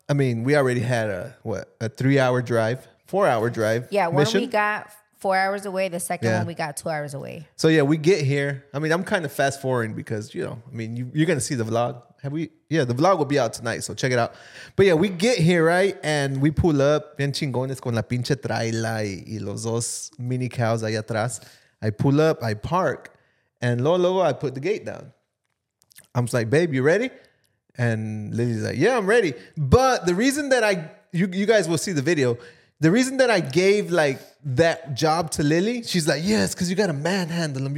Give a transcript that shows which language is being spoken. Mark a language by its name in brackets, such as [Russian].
[English] I mean, we already had a four hour drive. Yeah, mission. One we got 4 hours away. The second one we got 2 hours away. So yeah, we get here. I mean, I'm kind of fast forwarding because you know, I mean, you're gonna see the vlog. The vlog will be out tonight, so check it out. But yeah, we get here, right? And we pull up. [Spanish] Bien chingones con la pinche traila y los dos [English] mini cows [Spanish] ahí atrás. [English] I pull up, I park, and luego I put the gate down. I'm just like, babe, you ready? And Lily's like, yeah, I'm ready. But the reason that you guys will see the video, the reason that I gave like that job to Lily, she's like, yes, because you got to manhandle them.